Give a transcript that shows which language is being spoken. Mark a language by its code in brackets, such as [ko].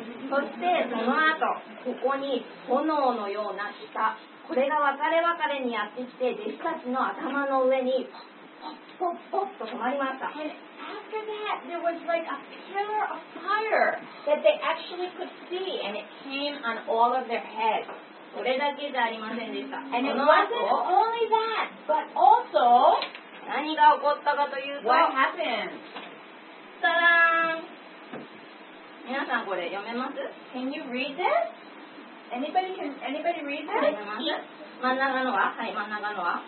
[ja] そしてその後ここに炎のような舌これが別れ別れにやってきて弟子たちの頭の上にポッポッポッと止まりました [en] And after that there was like a pillar of fire that they actually could see and it came on all of their heads [ja] それだけじゃありませんでした [en] And it wasn't only that but also [ja] 何が起こったかというと [en] What happened? [ja] たらーん皆さんこれ読めます [en] Can you read this? Anybody read this? [ja] 真ん中のははい、真ん中のは